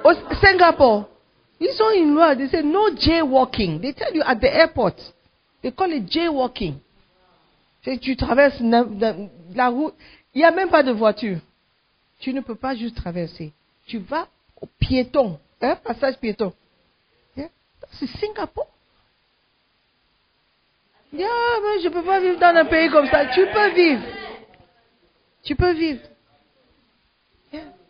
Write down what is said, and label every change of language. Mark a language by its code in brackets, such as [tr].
[fr] Au Singapour, ils ont une loi. [en] They say no jaywalking. They tell you at the airport. They call it jaywalking. [fr] C'est, tu traverses la route. Il n'y a même pas de voiture. Tu ne peux pas juste traverser. Tu vas au piéton. Hein, passage piéton. Yeah. C'est Singapour. Yeah, mais je ne peux pas vivre dans un pays comme ça. Tu peux vivre. Yeah.